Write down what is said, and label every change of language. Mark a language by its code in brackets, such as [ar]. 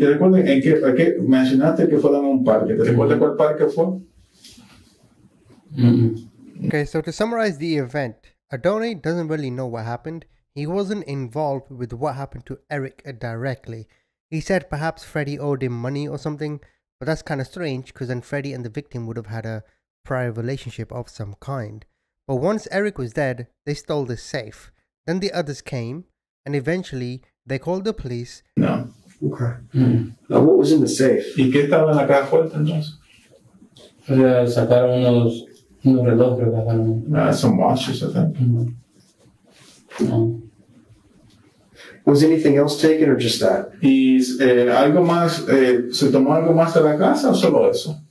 [es] ¿Te recuerdas en qué mencionaste que fue en un parque? ¿Te recuerdas cuál parque fue? [en] Okay, so to summarize the event, Adonay doesn't really know what happened. He wasn't involved with what happened to Eric directly. He said perhaps Freddy owed him money or something, but that's kind of strange because then Freddy and the victim would have had a prior relationship of some kind. But once Eric was dead, they stole the safe. Then the others came, and eventually they called the police. No. Okay. Mm. Now what was in the safe? [es] ¿Y qué estaba en la caja fuerte entonces? Sacaron unos relojes, ¿verdad? [en] Some watches, I think. Was anything else taken or just that? [es] Is algo más, se tomó algo más de la casa o solo eso?